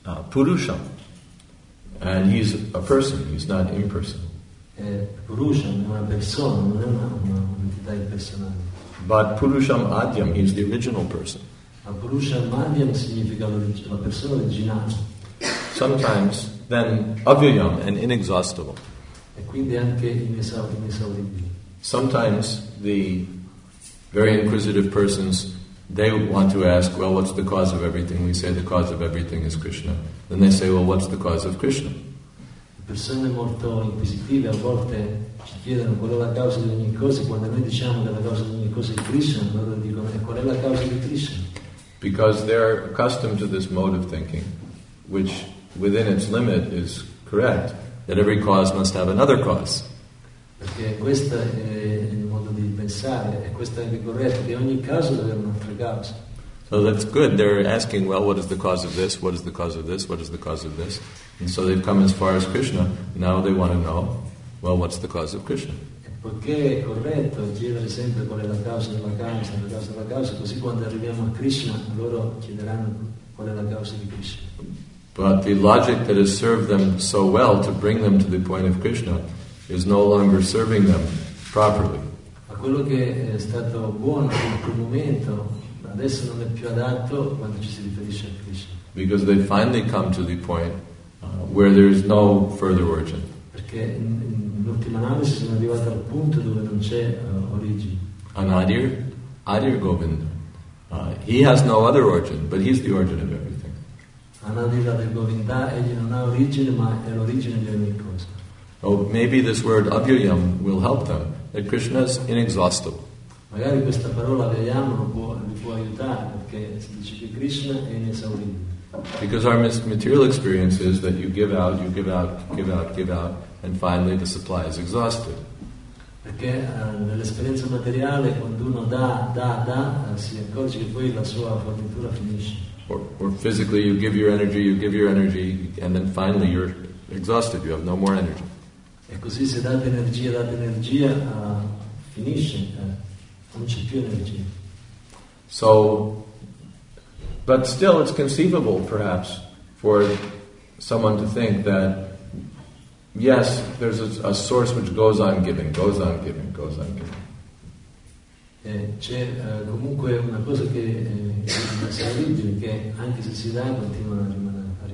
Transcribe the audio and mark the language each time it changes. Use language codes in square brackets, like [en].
[en] Purusham, and he's a person, he's not impersonal. [it] Purusham è una persona, non è un'entità impersonale. [en] But Purusham Adhyam, he's the original person. [it] Ma Purusham Adhyam significa la persona originale. [en] Sometimes, then, avyayam, and inexhaustible. [it] E quindi anche inesauribile. [en] Sometimes, the very inquisitive persons, they want to ask, well, what's the cause of everything? We say the cause of everything is Krishna. Then they say, well, what's the cause of Krishna? [it] Le persone molto inquisitive a volte ci chiedono qual è la causa di ogni cosa, quando noi diciamo che la causa di ogni cosa è Krishna, loro dicono qual è la causa di Krishna? [en] Because they're accustomed to this mode of thinking, which within its limit is correct, that every cause must have another cause. [it] Perché questo è il modo di pensare, e questo è anche corretto, che ogni causa deve avere un'altra causa. [en] So that's good. They're asking, well, what is the cause of this? What is the cause of this? What is the cause of this? And so they've come as far as Krishna. Now they want to know, well, what's the cause of Krishna? [it] Perché è corretto chiedere sempre qual è la causa della causa, la causa della causa, così quando arriviamo a Krishna, loro chiederanno qual è la causa di Krishna. [en] But the logic that has served them so well to bring them to the point of Krishna is no longer serving them properly. [it] Ma quello che è stato buono in quel momento adesso non è più adatto quando ci si riferisce a Krishna. [en] Because they finally come to the point where there is no further origin. [it] Perché in ultima analisi sono arrivato al punto dove non c'è origine. [en] And Adir Govinda, he has no other origin, but he's the origin of everything. [it] Anadira del Govinda, egli non ha origine, ma è l'origine di ogni cosa. [en] Oh, maybe this word avyayam will help them, that Krishna is inexhaustible. [it] Magari questa parola avyayam può aiutare, perché si dice che Krishna è inesauribile. [en] Because our material experience is that you give out, you give out, give out, give out, and finally the supply is exhausted. [it] Perché nell'esperienza materiale, quando uno dà, si accorge che poi la sua fornitura finisce. [en] Or physically, you give your energy, and then finally you're exhausted, you have no more energy. [it] E così se date energia, finisce, non c'è più energia. [en] So, but still it's conceivable, perhaps, for someone to think that, yes, there's a source which goes on giving, goes on giving, goes on giving. [it] C'è comunque una cosa che è inesauribile, che anche se si dà, continua a rimanere.